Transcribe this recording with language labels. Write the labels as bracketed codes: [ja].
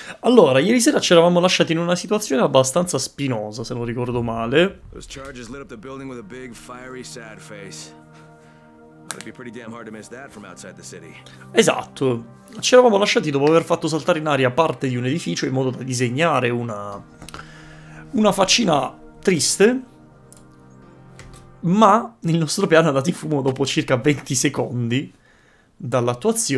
[it] Allora, ieri sera ci eravamo lasciati in una situazione abbastanza spinosa, se non ricordo male. [en] Those charges lit up the building with a big, fiery, sad face. It'd be pretty damn hard to miss that from outside the city. [it] Esatto. Ci eravamo lasciati dopo aver fatto saltare in aria parte di un edificio in modo da disegnare una faccina triste. Ma il nostro piano è andato in fumo dopo circa 20 secondi dall'attuazione.